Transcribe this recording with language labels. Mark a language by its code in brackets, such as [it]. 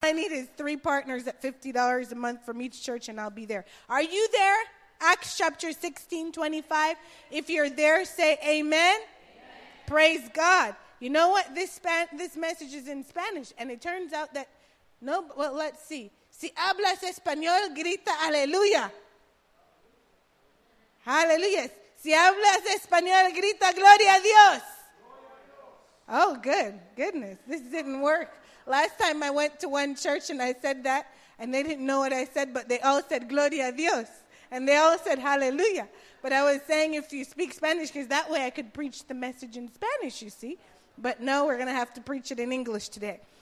[en] I need is three partners at $50 a month from each church, and I'll be there. Are you there? Acts chapter 16, 25. If you're there, say amen. Amen. Praise God. You know what? This message is in Spanish, and it turns out that, no, well, let's see. [es] Si hablas español, grita aleluya. Hallelujah. Si hablas español, grita gloria a Dios. [en] Oh, good. Goodness. This didn't work. Last time I went to one church and I said that, and they didn't know what I said, but they all said [es] gloria a Dios. [en] And they all said hallelujah. But I was saying if you speak Spanish, because that way I could preach the message in Spanish, you see. But no, we're going to have to preach it in English today.